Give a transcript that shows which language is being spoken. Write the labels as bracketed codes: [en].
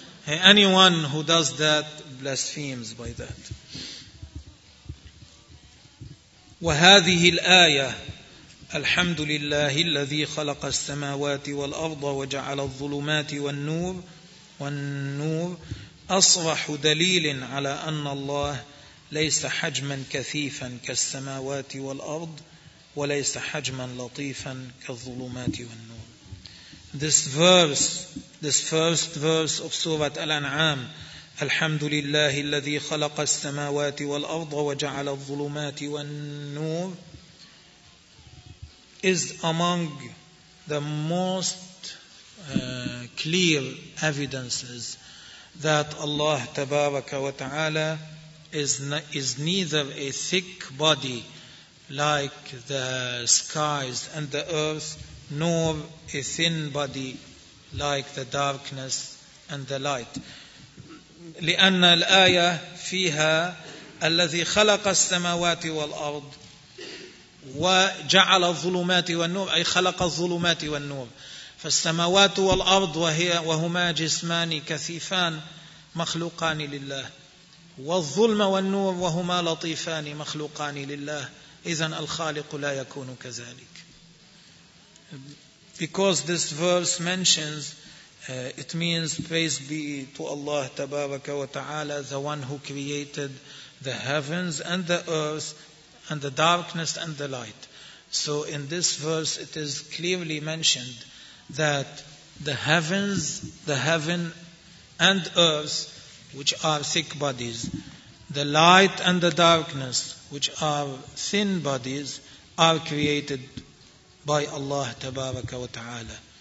[en] Hey, anyone who does that blasphemes by that. [ar] وهذه الآية الحمد لله الذي خلق السماوات والأرض وجعل الظلمات والنور أصرح دليل على أن الله ليس حجما كثيفا كالسماوات والأرض وليس حجما لطيفا كالظلمات والنور. [en] This first verse of Surah Al-An'am, [ar] الحمد لله الذي خلق السماوات والأرض وجعل الظلمات والنور, [en] is among the most clear evidences that Allah تبارك وتعالى is neither a thick body like the skies and the earth, nor a thin body like the darkness and the light. [ar] لأن الآية فيها الذي خلق السماوات والأرض وجعل الظلمات والنور أي خلق الظلمات والنور. فالسماوات والأرض وهما جسمان كثيفان مخلوقان لله, والظلم والنور وهما لطيفان مخلوقان لله. إذن الخالق لا يكون كذلك. [en] Because this verse mentions it means praise be to Allah tabaraka wa ta'ala, the one who created the heavens and the earth and the darkness and the light. So in this verse it is clearly mentioned that the heavens, the heaven and earth, which are thick bodies, the light and the darkness, which are thin bodies, are created by Allah tabaraka wa ta'ala.